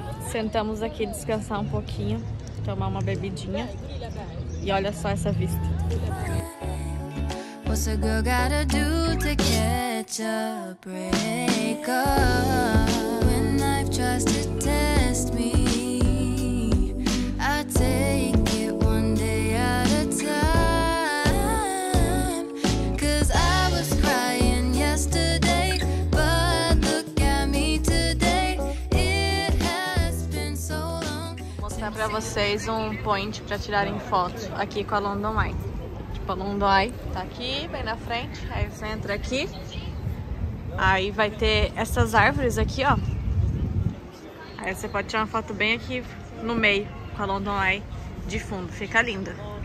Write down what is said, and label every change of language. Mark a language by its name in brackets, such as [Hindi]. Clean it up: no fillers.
[Portuguese] Sentamos aqui descansar um pouquinho, tomar uma bebidinha. E olha só essa vista. [English] What's a girl gotta do to catch a break up? When life tries to test me, I take it one day at a time. Cause I was crying yesterday, but look at me today. It has been so long. [Portuguese] Mostrar pra vocês um point pra tirarem foto aqui com a London Eye. O London Eye tá aqui, bem na frente. Aí você entra aqui. Aí vai ter essas árvores aqui, ó. Aí você pode tirar uma foto bem aqui no meio, com a London Eye de fundo. Fica linda.